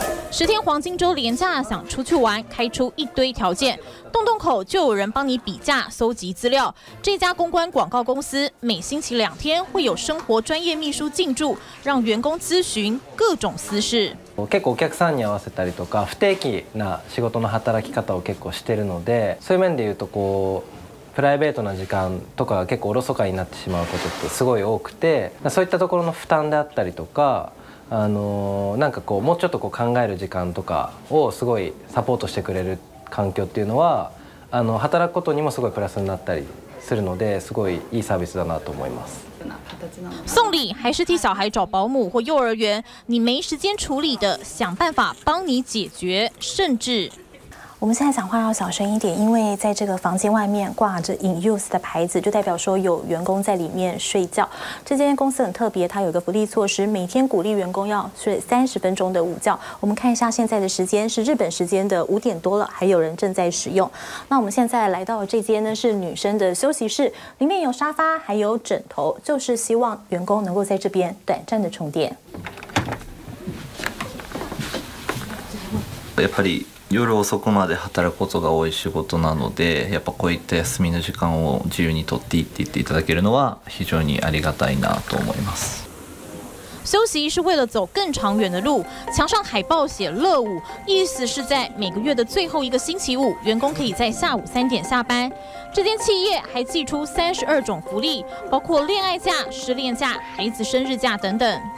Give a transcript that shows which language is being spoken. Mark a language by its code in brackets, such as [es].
[zh] 十天黄金周连假，想出去玩，开出一堆条件，动动口就有人帮你比价、搜集资料。这家公关广告公司每星期两天会有生活专业秘书进驻，让员工咨询各种私事。 [ja] 結構お客さんに合わせたりとか、不定期な仕事の働き方を結構してるので、そういう面で言うとこう。プライベートな時間とかが結構おろそかになってしまうことってすごい多くて、そういったところの負担であったりとか、なんかこうもうちょっとこう考える時間とかをすごいサポートしてくれる環境っていうのは、あの働くことにもすごいプラスになったりするので、すごいいいサービスだなと思います。 [zh] 送礼还是替小孩找保姆或幼儿园，你没时间处理的，想办法帮你解决，甚至。我们现在讲话要小声一点，因为在这个房间外面挂着 In Use 的牌子，就代表说有员工在里面睡觉。这间公司很特别，它有一个福利措施，每天鼓励员工要睡30分钟的午觉。我们看一下现在的时间是日本时间的5点多了，还有人正在使用。那我们现在来到这间呢是女生的休息室，里面有沙发还有枕头，就是希望员工能够在这边短暂的充电。 [ja] やっぱり夜遅くまで働くことが多い仕事なので、やっぱこういった休みの時間を自由に取っていいって言っていただけるのは非常にありがたいなと思います。 [zh] 休息是为了走更长远的路，墙上海报写乐舞，意思是在每个月的最后一个星期五，员工可以在下午3点下班。这间企业还寄出32种福利，包括恋爱假、失恋假、孩子生日假等等。